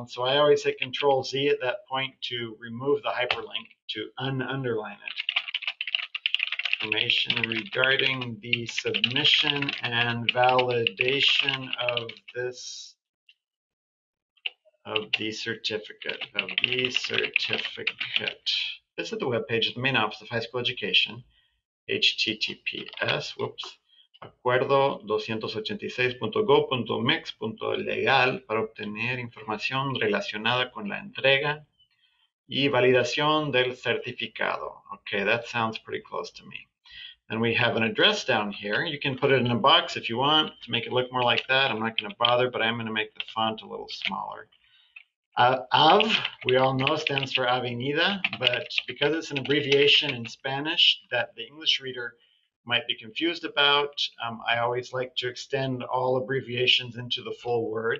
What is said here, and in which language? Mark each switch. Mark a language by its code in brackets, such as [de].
[en] And so I always hit Control Z at that point to remove the hyperlink to un-underline it. Information regarding the submission and validation of the certificate. This is the webpage of the main office of high school education. [es] HTTPS, acuerdo 286.gov.mex.legal para obtener información relacionada con la entrega y validación del certificado. [en] Okay, that sounds pretty close to me. And we have an address down here. You can put it in a box if you want to make it look more like that. I'm not going to bother, but I'm going to make the font a little smaller. AV, we all know, stands for Avenida, but because it's an abbreviation in Spanish that the English reader might be confused about, I always like to extend all abbreviations into the full word.